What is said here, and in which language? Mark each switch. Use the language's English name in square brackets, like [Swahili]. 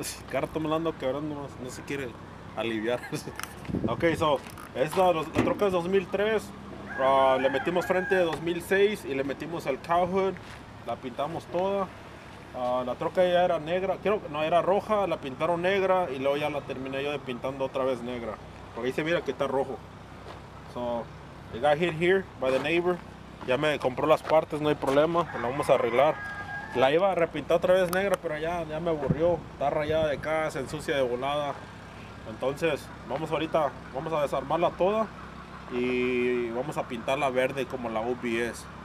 [Spanish] Carto me la ando quebrando, no se quiere aliviar. Ok, so, la troca es 2003. Le metimos frente de 2006 y le metimos el cowhood. La pintamos toda. La troca ya era negra, era roja, la pintaron negra y luego ya la terminé yo de pintando otra vez negra. Porque ahí se mira que está rojo. [English] So, it got hit here by the neighbor. [Spanish] Ya me compró las partes, no hay problema, la vamos a arreglar. La iba a repintar otra vez negra, pero ya me aburrió. Está rayada de acá, se ensucia de volada. Entonces, vamos a desarmarla toda y vamos a pintarla verde como la OBS.